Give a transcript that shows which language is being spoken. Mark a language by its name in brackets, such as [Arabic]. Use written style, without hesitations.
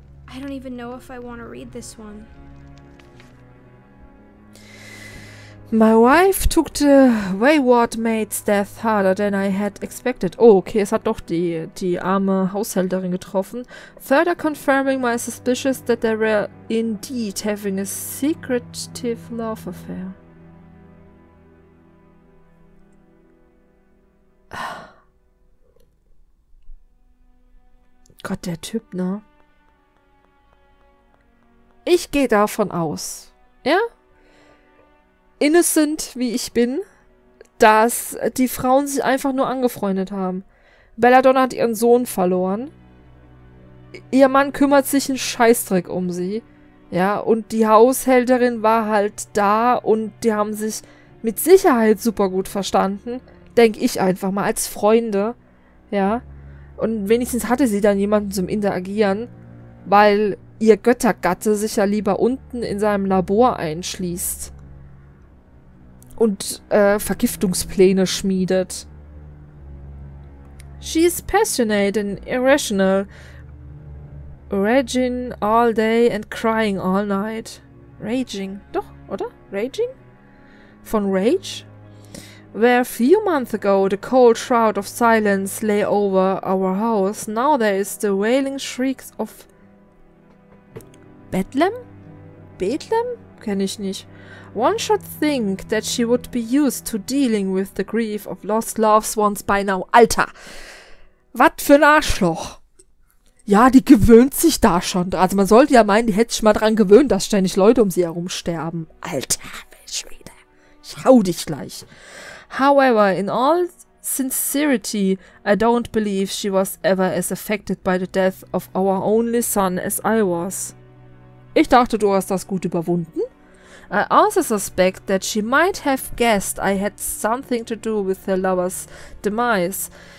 [English] I don't even know if I want to read this one. My wife took the wayward maid's death harder than I had expected. [German] Oh, okay, es hat doch die arme Haushälterin getroffen. [English] Further confirming my suspicions that they were indeed having a secretive love affair. [German] Gott, der Typ, ne? Ich gehe davon aus, ja? Innocent, wie ich bin, dass die Frauen sich einfach nur angefreundet haben. Belladonna hat ihren Sohn verloren. Ihr Mann kümmert sich einen Scheißdreck um sie. Ja, und die Haushälterin war halt da und die haben sich mit Sicherheit super gut verstanden. Denke ich einfach mal, als Freunde, ja. Und wenigstens hatte sie dann jemanden zum Interagieren, weil ihr Göttergatte sich ja lieber unten in seinem Labor einschließt und Vergiftungspläne schmiedet. [English] She is passionate and irrational, raging all day and crying all night. [German] Raging, doch, oder? Raging? Von Rage? [English] Where a few months ago the cold shroud of silence lay over our house, now there is the wailing shrieks of Bethlehem? Bethlehem? [German] Kenne ich nicht. [English] One should think that she would be used to dealing with the grief of lost loves once by now. [German] Alter! Was für ein Arschloch! Ja, die gewöhnt sich da schon. Also man sollte ja meinen, die hätte sich mal dran gewöhnt, dass ständig Leute um sie herum sterben. Alter, Schwede! Ich hau dich gleich! [English] However, in all sincerity, I don't believe she was ever as affected by the death of our only son as I was. [German] Ich dachte, du hast das gut überwunden. [English] I also suspect that she might have guessed I had something to do with her lover's demise.